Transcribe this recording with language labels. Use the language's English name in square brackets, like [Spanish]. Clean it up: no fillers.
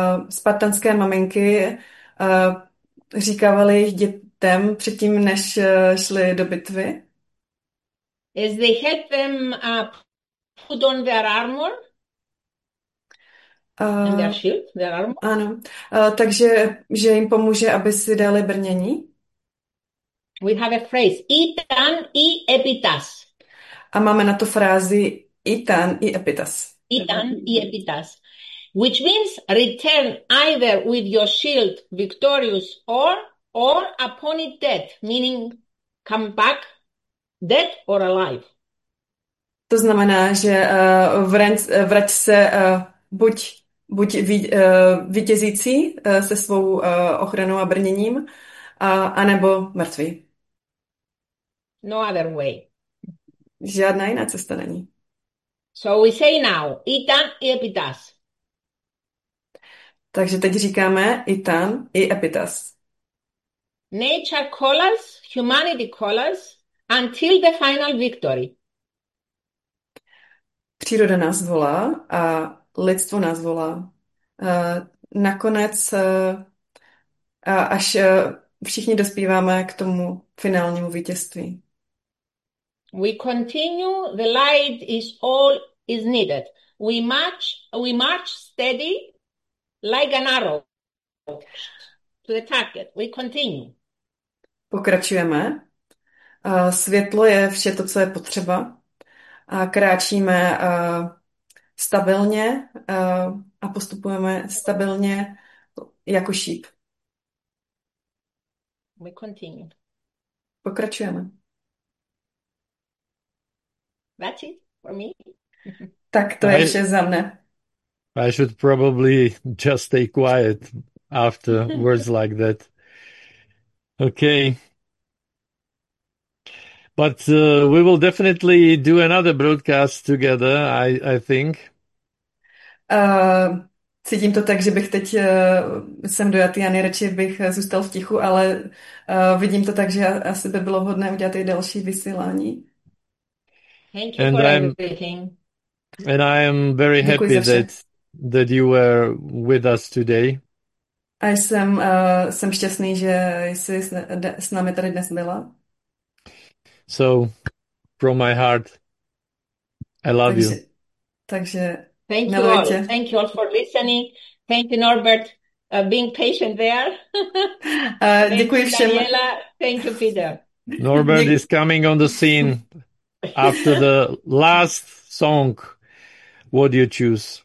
[Czech] Spartanské maminky říkávaly jejich dětem předtím, než šly do bitvy. [English] As they helped them put on their armor. And their shield, their armor. [Czech] Ano, takže že jim pomůže, aby si dali brnění. [English] We have a phrase, [Greek] itan i epitas. [Czech] A máme na to frázi [Greek] itan i epitas. Itan i epitas. [English] Which means return either with your shield victorious or upon it dead, meaning come back dead or alive. [Czech] To znamená, že vrať se buď vítězící se svou ochranou a brněním, anebo mrtvý. [English] No other way. [Czech] Žádná jiná cesta není. [English] So we say now, [Greek] itan i epitas. [Czech] Takže teď říkáme [Greek] itan i epitas. [English] Nature calls, humanity calls, until the final victory. [Czech] Příroda nás volá a lidstvo nás volá. Nakonec, až všichni dospíváme k tomu finálnímu vítězství. [English] We continue, the light is all is needed. We march steady like an arrow to the target. We continue. [Czech] Pokračujeme. Světlo je vše to, co je potřeba. A kráčíme stabilně a postupujeme stabilně jako šíp. [English] We continue. [Czech] Pokračujeme. [English] That's it for me. [Czech] Tak to je vše za mne. [English] I should probably just stay quiet after words like that. Okay. But we will definitely do another broadcast together, I think. [Czech] Cítím to tak, že bych teď jsem dojatý a nejradši bych zůstal v tichu, ale vidím to tak, že asi by bylo vhodné udělat i další vysílání. [English] Thank you for everything. And I am very happy that you were with us today. [Czech] A jsem šťastný, že jsi s námi tady dnes byla. [English] So, from my heart, I love you. [Czech] Takže, [English] thank you all. Thank you all for listening. Thank you, Norbert, being patient there. [Czech] Děkuji všem. [English] Thank you, Peter. Norbert is coming on the scene after the last song. What do you choose?